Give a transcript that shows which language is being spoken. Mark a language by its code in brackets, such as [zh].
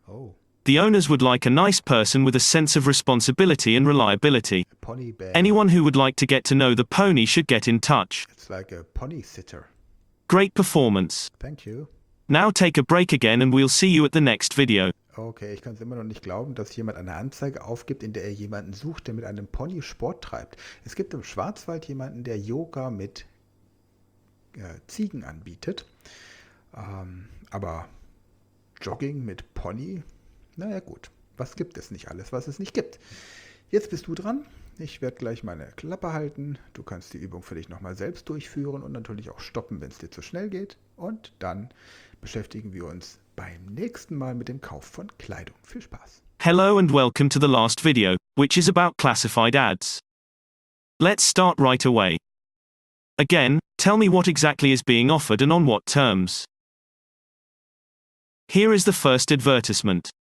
[en] Oh. The owners would like a nice person with a sense of responsibility and reliability. A pony bear. Anyone who would like to get to know the pony should get in touch. It's like a pony sitter. Great performance. Thank you. Now take a break again and we'll see you at the next video. [de] Okay, ich kann es immer noch nicht glauben, dass jemand eine Anzeige aufgibt, in der er jemanden sucht, der mit einem Pony Sport treibt. Es gibt im Schwarzwald jemanden, der Yoga mit Ziegen anbietet. Aber Jogging mit Pony? Naja gut, was gibt es nicht alles, was es nicht gibt? Jetzt bist du dran. Ich werde gleich meine Klappe halten. Du kannst die Übung für dich nochmal selbst durchführen und natürlich auch stoppen, wenn es dir zu schnell geht. Und dann beschäftigen wir uns beim nächsten Mal mit dem Kauf von Kleidung. Viel Spaß. [en] Hello and welcome to the last video, which is about classified ads. Let's start right away. Again, tell me what exactly is being offered and on what terms. Here is the first advertisement.